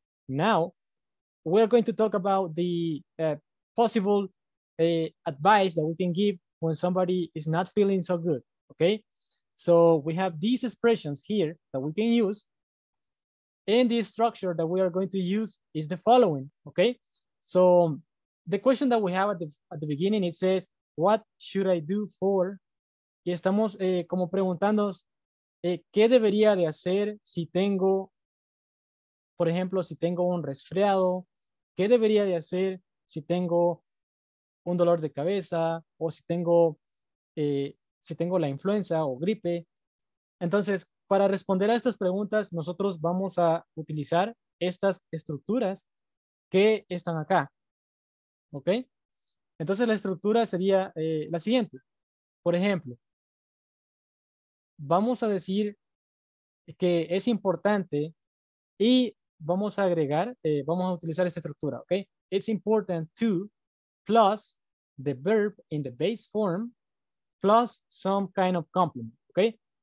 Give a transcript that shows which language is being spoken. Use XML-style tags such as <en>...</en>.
<en>Now, we're going to talk about the possible advice that we can give when somebody is not feeling so good, okay? So we have these expressions here that we can use. And the structure that we are going to use is the following, okay? So the question that we have at the beginning, it says, what should I do for?</en> <es>Y estamos como preguntándonos, ¿qué debería de hacer si tengo, por ejemplo, si tengo un resfriado? ¿Qué debería de hacer si tengo un dolor de cabeza? O si tengo la influenza o gripe. Entonces, para responder a estas preguntas, nosotros vamos a utilizar estas estructuras que están acá, ¿ok? Entonces, la estructura sería la siguiente. Por ejemplo, vamos a decir que es importante y vamos a agregar, vamos a utilizar esta estructura, ¿ok?</es> <en>It's important to plus the verb in the base form plus some kind of complement, ¿ok?</en>